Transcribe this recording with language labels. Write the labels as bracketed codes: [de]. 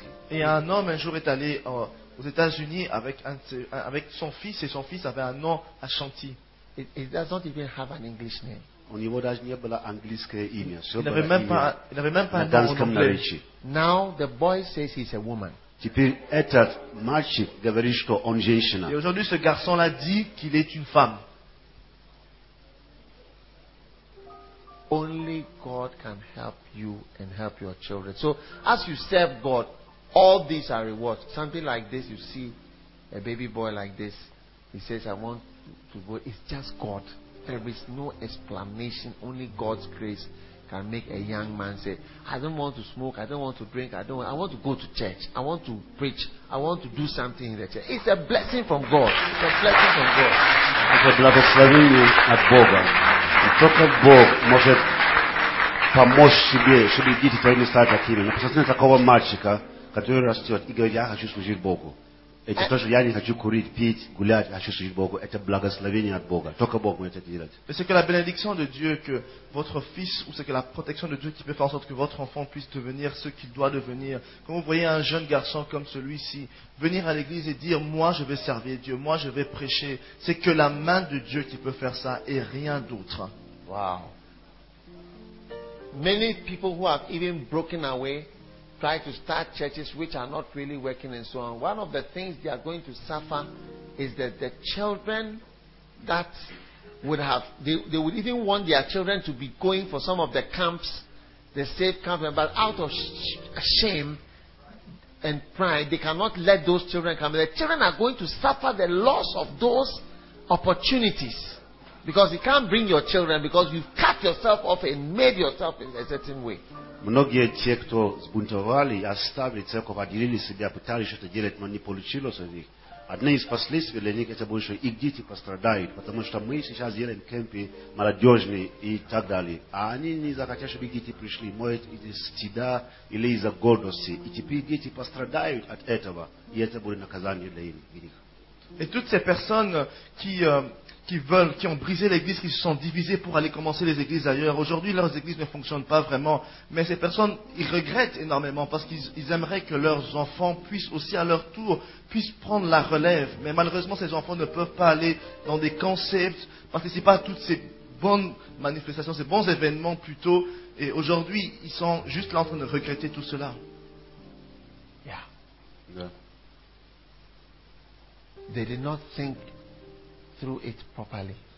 [fr] Et un homme un jour est allé aux États-Unis avec son fils et son fils avait un nom Ashanti. [en] He doesn't even have an English name. [ru] У него даже не было английское имя. [fr] Il n'avait même pas un nom anglais. [en] Now the boy says he's a woman. [ru] Теперь этот мальчик говорит, что он женщина. [fr] Et aujourd'hui, ce garçon-là dit qu'il est une femme. [en] Only God can help you and help your children. So as you serve God, all these are rewards. Something like this, you see a baby boy like this. He says, I want to go. It's just God. There is no explanation. Only God's grace can make a young man say, I don't want to smoke, I don't want to drink, I want to go to church, I want to preach, I want to do something in the church. It's a blessing from God. It's a blessing from God. [ru] Это благословение от Бога. И только Бог может помочь себе, чтобы дети твои не стали такими. Но посмотрите на такого мальчика, который растет и говорит, я хочу служить Богу. Это то, что я не хочу курить, пить, гулять, хочу служить Богу. Это благословение от Бога. Только Бог может это делать. [fr] Mais c'est que la bénédiction de Dieu que votre fils ou c'est que la protection de Dieu qui peut faire en sorte que votre enfant puisse devenir ce qu'il doit devenir. Quand vous voyez un jeune garçon comme celui-ci venir à l'église et dire moi je vais servir Dieu, moi je vais prêcher, c'est que la main de Dieu qui peut faire ça et rien d'autre. [en] Wow. Many people who have even broken away try to start churches which are not really working and so on. One of the things they are going to suffer is that the children that would have, they would even want their children to be going for some of the camps, the safe camps, but out of shame and pride, they cannot let those children come. The children are going to suffer the loss of those opportunities. Because you can't bring your children because you've cut yourself off and made yourself in a certain way. [ru] Многие те, кто сбунтовали, оставили церковь, отделили себя, пытались что-то делать, но не получилось у них. Одно из последствий для них это больше их дети пострадают, потому что мы сейчас делаем кемпы молодежные и так далее. А они не захотят, чтобы дети пришли, может, из-за стыда или из-за гордости. И теперь дети пострадают от этого, и это будет наказание для них. [fr] Et toutes ces personnes qui ont brisé l'église, qui se sont divisées pour aller commencer les églises ailleurs, aujourd'hui leurs églises ne fonctionnent pas vraiment. Mais ces personnes, ils regrettent énormément parce qu'ils aimeraient que leurs enfants puissent aussi à leur tour, puissent prendre la relève. Mais malheureusement, ces enfants ne peuvent pas aller dans des concepts, participer à toutes ces bonnes manifestations, ces bons événements plutôt. Et aujourd'hui, ils sont juste là en train de regretter tout cela. [en] Yeah. Yeah. They did not think through it properly.